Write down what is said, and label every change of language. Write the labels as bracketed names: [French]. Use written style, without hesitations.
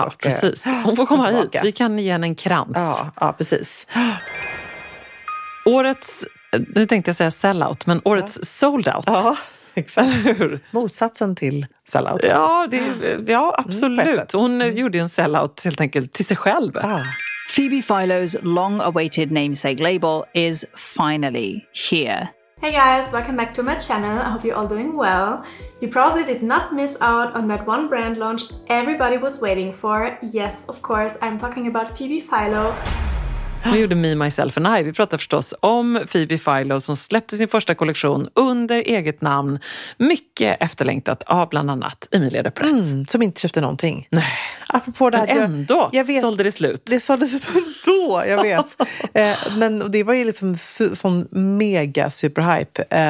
[Swedish] Ja, precis. Hon får komma hit. Vi kan ge henne en krans. Ja, ja, precis. Årets, nu tänkte jag säga sellout, men årets soldout. Ja, exakt. Motsatsen till sellout. Ja, det, ja, absolut. Hon gjorde en sellout helt enkelt till sig själv. Ja. [English] Phoebe Philo's long-awaited namesake label is finally here. Hey guys, welcome back to my channel. I hope you're all doing well. You probably did not miss out on that one brand launch everybody was waiting for. Yes, of course, I'm talking about Phoebe Philo. [Swedish] Vi gjorde Me, Myself and I. Vi pratade förstås om Phoebe Philo som släppte sin första kollektion under eget namn. Mycket efterlängtat av bland annat Emilia Deprett. Mm, som inte köpte någonting. Nej. Apropå det här, men ändå jag vet, sålde det slut. Det såldes ut ändå, jag vet. Men det var ju liksom sån mega superhype.